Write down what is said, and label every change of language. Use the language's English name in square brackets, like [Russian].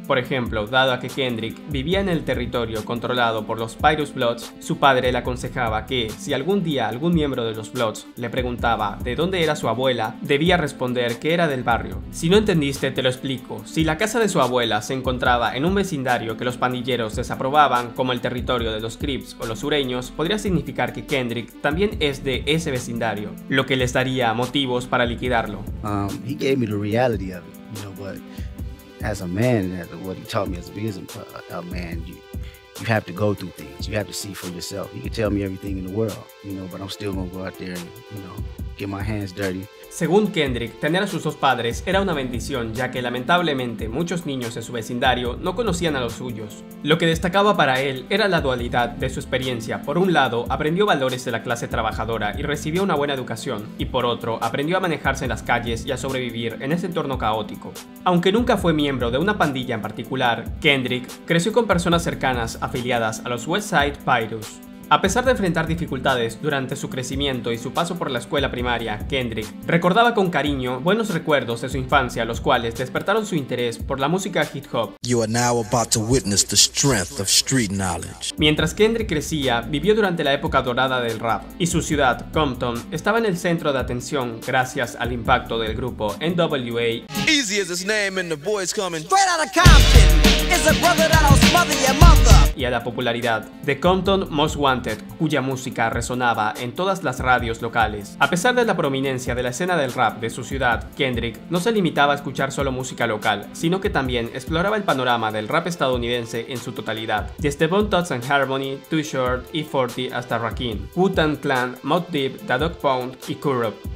[Spanish] Por ejemplo, dado a que Kendrick vivía en el territorio controlado por los Pyrus Bloods, su padre le aconsejaba que, si algún día algún miembro de los Bloods le preguntaba de dónde era su abuela, debía responder que era del barrio. Si no entendiste, te lo explico. Si la casa de su abuela se encontraba en un vecindario que los pandilleros desaprobaban, como el territorio de los Crips o los sureños, podría significar que Kendrick también es de ese vecindario, lo que les daría motivos para liquidarlo. [English] He gave me the reality of it, you know, but as a man, what he taught me as a business man, you have to go through things, you have to see for yourself. He could tell me everything in the world, you know, but I'm still gonna go out there and, you know, get my hands dirty. [Spanish] Según Kendrick, tener a sus dos padres era una bendición, ya que lamentablemente muchos niños en su vecindario no conocían a los suyos. Lo que destacaba para él era la dualidad de su experiencia. Por un lado, aprendió valores de la clase trabajadora y recibió una buena educación, y por otro, aprendió a manejarse en las calles y a sobrevivir en ese entorno caótico. Aunque nunca fue miembro de una pandilla en particular, Kendrick creció con personas cercanas afiliadas a los Westside Pyrus. A pesar de enfrentar dificultades durante su crecimiento y su paso por la escuela primaria, Kendrick recordaba con cariño buenos recuerdos de su infancia, los cuales despertaron su interés por la música hip hop. [English] You are now about to witness the strength of street knowledge. [Spanish] Mientras Kendrick crecía, vivió durante la época dorada del rap, y su ciudad, Compton, estaba en el centro de atención gracias al impacto del grupo N.W.A. [English] Easy is his name and the boys coming straight out of Compton. It's a brother that'll smother your mother. [Spanish] Y a la popularidad de Compton Most Wanted, cuya música resonaba en todas las radios locales. A pesar de la prominencia de la escena del rap de su ciudad, Kendrick no se limitaba a escuchar solo música local, sino que también exploraba el panorama del rap estadounidense en su totalidad. Desde Bone Thugs and Harmony, Too Short, E-40 hasta Rakim, Wu-Tang Clan, Mobb Deep, Da Dog Pound y Kurupt.